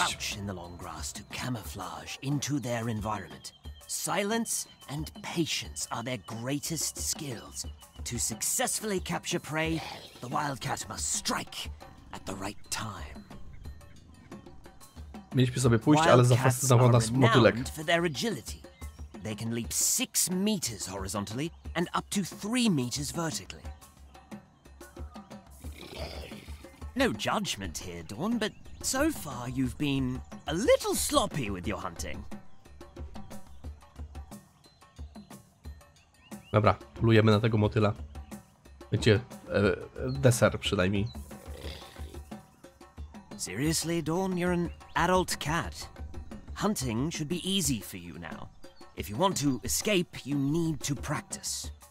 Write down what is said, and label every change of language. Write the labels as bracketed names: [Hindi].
[English] Crouch in the long grass to camouflage into their environment. Silence and patience are their greatest skills. To successfully capture prey, the wildcat must strike at the right time. [Polish] Mieliśmy sobie pójść, ale zafascynował nas motylek. [English] For their agility. They can leap 6 meters horizontally and up to 3 meters vertically. No judgment here, Dawn, but so far you've been a little sloppy with your hunting. [Polish] Dobra, polujemy na tego motyla. Będzie deser przynajmniej. [English] Seriously, Dawn, you're an adult cat. Hunting should be easy for you now. If you want to escape, you need to practice.